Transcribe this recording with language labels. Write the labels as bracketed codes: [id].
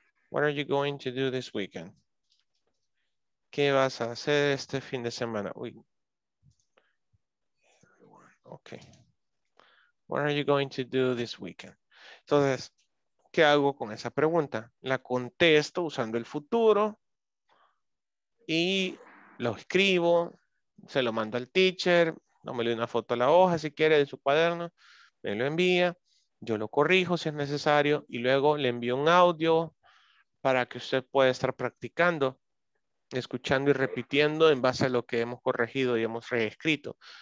[en] What are you going to do this weekend? [es] ¿Qué vas a hacer este fin de semana? Uy. [en] Okay. What are you going to do this weekend? [es] Entonces, ¿qué hago con esa pregunta? La contesto usando el futuro y lo escribo, se lo mando al teacher, no me le doy una foto a la hoja, si quiere, de su cuaderno, me lo envía, yo lo corrijo si es necesario y luego le envío un audio para que usted pueda estar practicando, escuchando y repitiendo en base a lo que hemos corregido y hemos reescrito.